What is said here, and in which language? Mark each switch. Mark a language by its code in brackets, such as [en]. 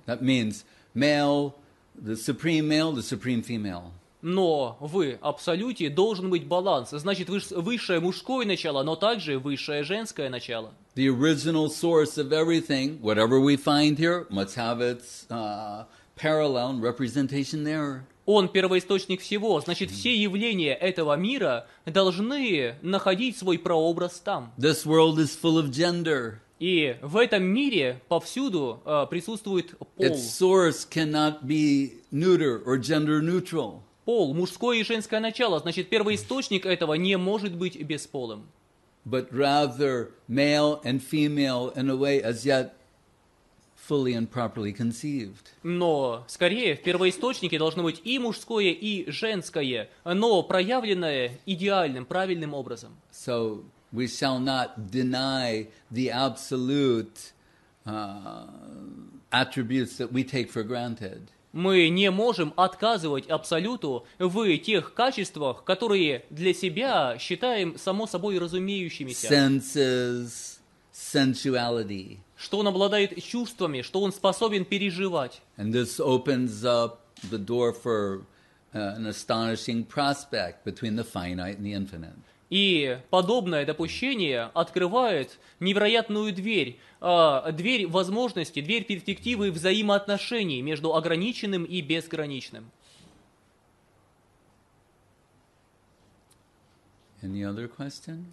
[en] That means male, the supreme male, the supreme female. [ru] Но в Абсолюте должен быть баланс. Значит, высшее мужское начало, но также высшее женское начало. [en] The original source of everything, whatever we find here, must have its parallel and representation there. [ru] Он первоисточник всего, значит, все явления этого мира должны находить свой прообраз там. [en] This world is full of gender. [ru] И в этом мире повсюду присутствует пол. [en] Its source cannot be neuter or gender neutral. [ru] пол, мужское и женское начало. Значит, первоисточник этого не может быть бесполым. [en] But rather male and female in a way as yet fully and properly conceived. [ru] Но, скорее, в первоисточнике должно быть и мужское, и женское, но проявленное идеальным, правильным образом. [en] So we shall not deny the absolute attributes that we take for granted. [ru] Мы не можем отказывать абсолюту в тех качествах, которые для себя считаем само собой разумеющимися. [en] Senses, sensuality. [ru] Что он обладает чувствами, что он способен переживать. [en] And this opens up the door for an astonishing prospect between the finite and the infinite. [ru] И подобное допущение открывает невероятную дверь, дверь возможности, дверь перспективы взаимоотношений между ограниченным и безграничным. [en] Any other question?